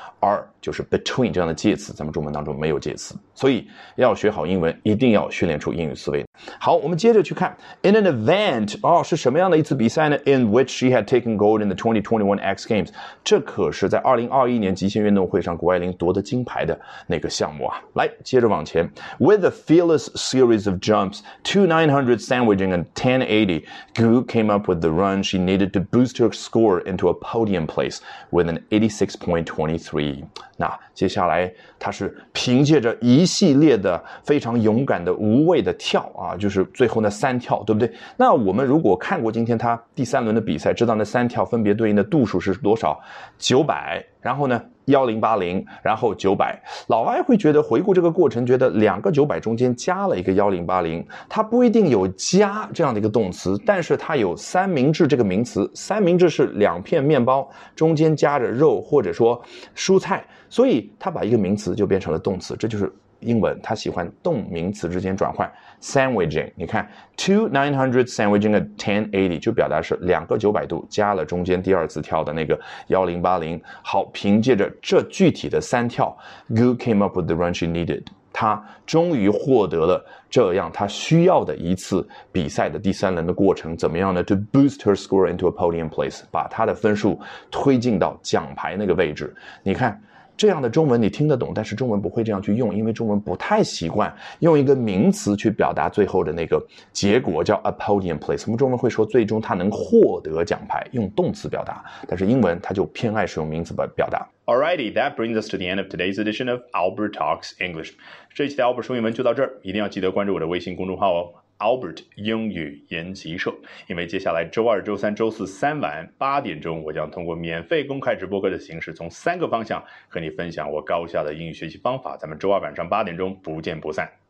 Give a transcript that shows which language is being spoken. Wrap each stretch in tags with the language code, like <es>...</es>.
<zh>二就是 between 这样的介词咱们中文当中没有介词。所以要学好英文一定要训练出英语思维。好，我们接着去看</zh> <en>in an event,</en> <zh>是什么样的一次比赛呢？</zh> <en>in which she had taken gold in the 2021 X Games,</en> <zh>这可是在2021年极限运动会上谷爱凌夺得金牌的那个项目啊。</zh> <en>来接着往前 with a fearless series of jumps, 2900 sandwiching and 1080, Gu came up with the run she needed to boost her score into a podium place with an 86.23.</en> <zh>那接下来她是凭借着一系列的非常勇敢的无畏的跳啊，就是最后那三跳，对不对？那我们如果看过今天他第三轮的比赛，知道那三跳分别对应的度数是多少？ 900，然后呢1080，然后900。老外会觉得回顾这个过程，觉得两个900中间加了一个1080，它不一定有加这样的一个动词，但是它有三明治这个名词。三明治是两片面包中间夹着肉或者说蔬菜，所以它把一个名词就变成了动词，这就是英文他喜欢动名词之间转换 sandwiching。你看 2900 sandwiching at 1080 就表达是两个900度加了中间第二次跳的那个1080。好，凭借着这具体的三跳，</zh> <en>Gu came up with the run she needed,</en> <zh>他终于获得了这样他需要的一次比赛的第三轮的过程。怎么样呢？</zh> <en>to boost her score into a podium place,</en> <zh>把他的分数推进到奖牌那个位置。你看这样的中文你听得懂，但是中文不会这样去用，因为中文不太习惯用一个名词去表达最后的那个结果叫</zh> <en>a podium place。</en> <zh>我们中文会说最终他能获得奖牌，用动词表达，但是英文他就偏爱使用名词表达。</zh> <en>Alrighty, that brings us to the end of today's edition of Albert Talks English.</en> <zh>这一期的 Albert 说英文就到这儿，一定要记得关注我的微信公众号哦，Albert 英语研习社，因为接下来周二、周三、周四三晚8点，我将通过免费公开直播课的形式，从三个方向和你分享我高效的英语学习方法。咱们周二晚上8点不见不散。</zh>